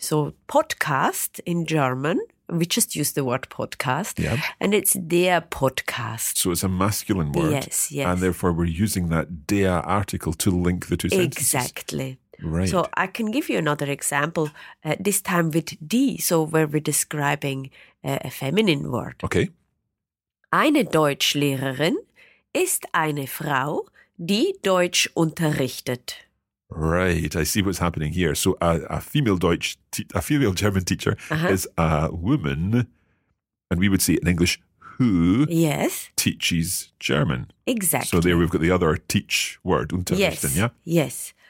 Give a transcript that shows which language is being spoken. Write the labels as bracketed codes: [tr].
[en] So podcast in German, we just use the word podcast, and it's der Podcast. So it's a masculine word. Yes, yes. And therefore we're using that der article to link the two sentences. Exactly. Right. So I can give you another example, this time with die, so where we're describing a feminine word. Okay. [de] Eine Deutschlehrerin ist eine Frau, die Deutsch unterrichtet. [en] Right, I see what's happening here. So a female German teacher is a woman, and we would say in English, who teaches German. Exactly. So there we've got the other teach word, unterrichten, Yes.